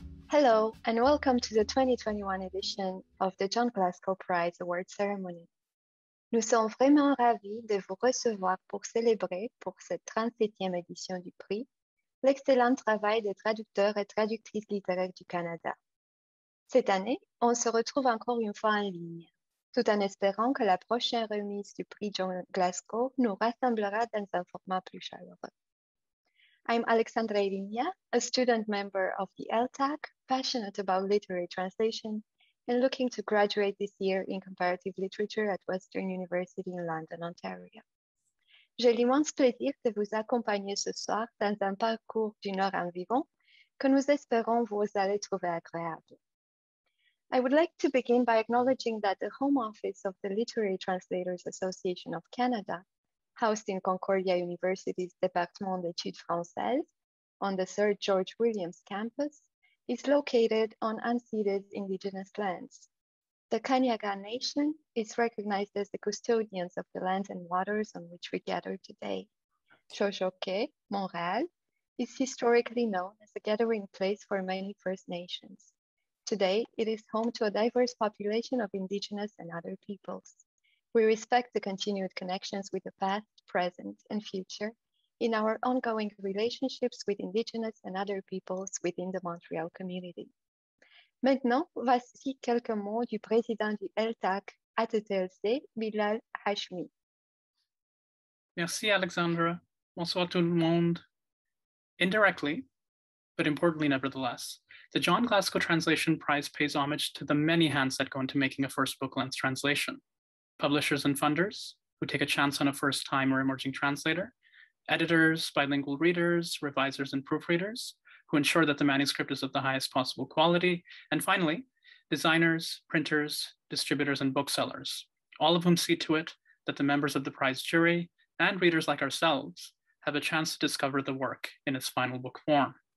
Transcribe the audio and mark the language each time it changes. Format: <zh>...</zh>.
<en>Hello, and welcome to the 2021 edition of the John Glassco Prize Award Ceremony.</en> <fr>Nous sommes vraiment ravis de vous recevoir pour célébrer, pour cette 37e édition du prix, l'excellent travail des traducteurs et traductrices littéraires du Canada. Cette année, on se retrouve encore une fois en ligne, tout en espérant que la prochaine remise du prix John Glassco nous rassemblera dans un format plus chaleureux.</fr> <en>I'm Alexandra Irinia, a student member of the LTAC, passionate about literary translation and looking to graduate this year in comparative literature at Western University in London, Ontario.</en> <fr>J'ai l'immense plaisir de vous accompagner ce soir dans un parcours d'une heure environ que nous espérons vous allez trouver agréable.</fr> <en>I would like to begin by acknowledging that the Home Office of the Literary Translators Association of Canada, housed in Concordia University's Département d'études françaises on the Sir George Williams campus, is located on unceded Indigenous lands. The Kanyaga Nation is recognized as the custodians of the lands and waters on which we gather today. Shoshoke, Montréal, is historically known as a gathering place for many First Nations. Today, it is home to a diverse population of Indigenous and other peoples. We respect the continued connections with the past, present, and future in our ongoing relationships with Indigenous and other peoples within the Montreal community.</en> <fr>Maintenant, voici quelques mots du président du LTAC, ATTLC, Bilal Hashmi. Merci, Alexandra. Bonsoir tout le monde.</fr> <en>Indirectly, but importantly nevertheless, the John Glassco Translation Prize pays homage to the many hands that go into making a first book-length translation. Publishers and funders who take a chance on a first-time or emerging translator, editors, bilingual readers, revisers, and proofreaders who ensure that the manuscript is of the highest possible quality, and finally, designers, printers, distributors, and booksellers, all of whom see to it that the members of the prize jury and readers like ourselves have a chance to discover the work in its final book form.</en>